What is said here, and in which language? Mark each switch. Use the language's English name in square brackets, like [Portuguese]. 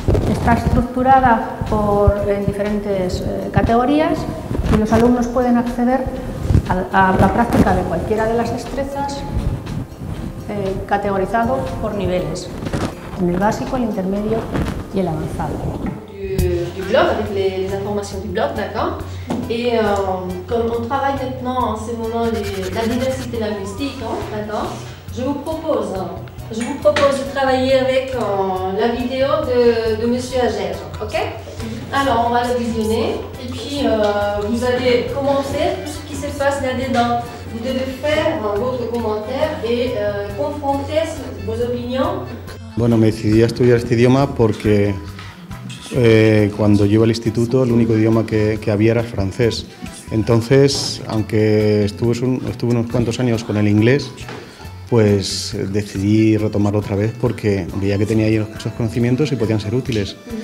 [Spanish] Está estructurada en diferentes categorías y los alumnos pueden acceder a la práctica de cualquiera de las destrezas categorizado por niveles, en el básico, el intermedio y el avanzado. [French] Du blog, avec les informations du blog, d'accord. Et comme on travaille maintenant en ce moment la diversité linguistique, d'accord, je vous propose de travailler avec la vidéo de Monsieur Ager, ok. Alors on va la visionner et puis vous allez commencer tout ce qui se passe là-dedans. Vous devez faire votre commentaire et confronter vos opinions. [Spanish] Bueno, me decidí a estudiar este idioma porque cuando llevo al instituto el único idioma que había era francés. Entonces, aunque estuve unos cuantos años con el inglés, pues decidí retomarlo otra vez porque veía que tenía ahí esos conocimientos y podían ser útiles.